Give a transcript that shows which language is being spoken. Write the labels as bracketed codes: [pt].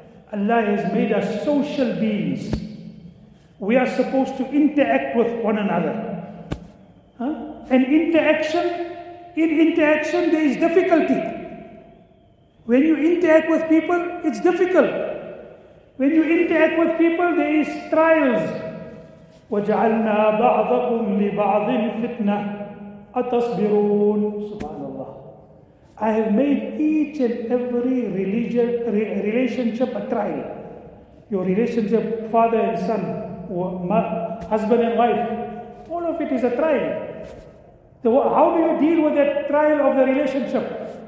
[en] Allah has made us social beings. We are supposed to interact with one another. And interaction, there is difficulty. When you interact with people, it's difficult. When you interact with people, there is trials. [ar] وَجَعَلْنَا بَعْضَكُمْ لِبَعْضٍ فِتْنَةً أَتَصْبِرُونَ SubhanAllah. [en] I have made each and every relationship a trial. Your relationship, father and son, husband and wife, all of it is a trial. How do you deal with that trial of the relationship?